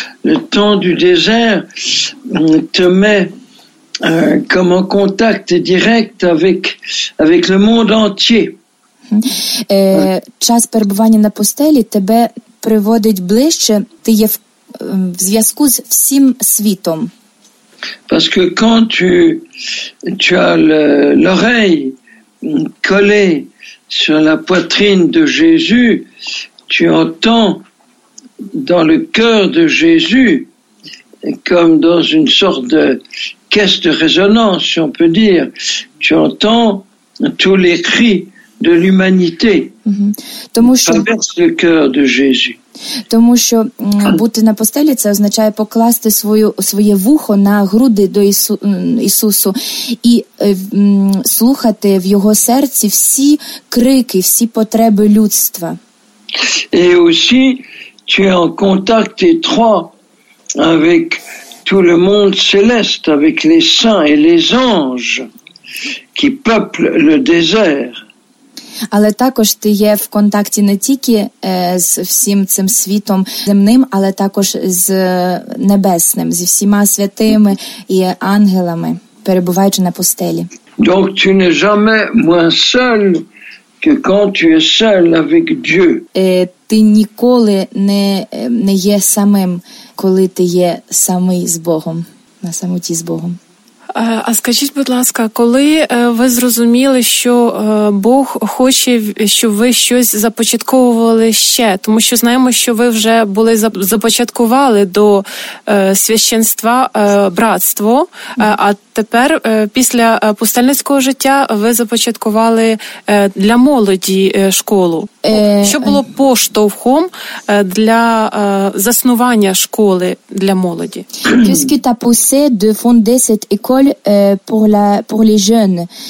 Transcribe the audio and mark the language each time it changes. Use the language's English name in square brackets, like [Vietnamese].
[French] Le temps du désert te met comme en contact direct avec le monde entier. [Ukrainian] Час перебування на пустелі тебе приводить ближче, ти є в зв'язку з всім світом. [French] Parce que quand tu as l'oreille collée sur la poitrine de Jésus, tu entends dans le cœur de Jésus, comme dans une sorte de caisse de résonance, si on peut dire, tu entends tous les cris de l'humanité traverse le cœur de Jésus. [Ukrainian] Тому що бути на постелі – це означає покласти своє вухо на груди до Ісусу і слухати в Його серці всі крики, всі потреби людства. І [French] aussi tu es en contact étroit avec tout le monde céleste, avec les saints et les anges qui peuplent le désert. [Ukrainian] Але також ти є в контакті не тільки з всім цим світом земним, але також з небесним, зі всіма святими і ангелами, перебуваючи на пустелі. [French] Donc tu n'es jamais moins seul que quand tu es seul avec Dieu. [Ukrainian] Ти ніколи не є самим, коли ти є самий з Богом, на самоті з Богом. А скажіть, будь ласка, коли ви зрозуміли, що Бог хоче, щоб ви щось започатковували ще? Тому що знаємо, що ви вже були започаткували до священства братство, а тепер після пустельницького життя ви започаткували для молоді школу. Що було поштовхом для заснування школи для молоді? [French] Qu'est-ce qui t'a poussé de fonder cette école pour les jeunes?